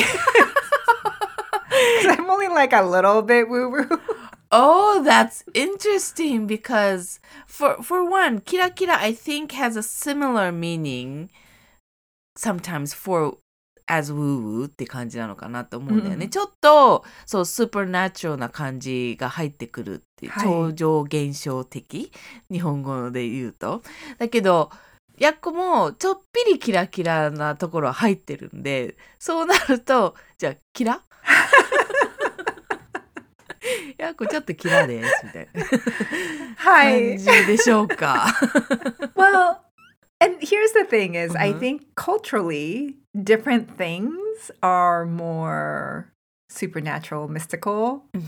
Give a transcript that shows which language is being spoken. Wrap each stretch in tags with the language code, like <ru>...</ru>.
<en>Because I'm only like a little bit woo-woo. Oh, that's interesting because for one, kira kira I think has a similar meaning sometimes for as woo woo</en> <ja>って感じなのかなと思うんだよね。</ja> <en>Mm-hmm.</en> <ja>ちょっとそう supernatural な感じが入ってくるって、はい、超常現象的日本語で言うとだけど、やっこもちょっぴりキラキラなところは入ってるんで、そうなるとじゃあキラ。やっこちょっとキラですみたいな感じでしょうか。</ja> <en>Well, and here's the thing is, I think culturally, different things are more supernatural, mystical.</en>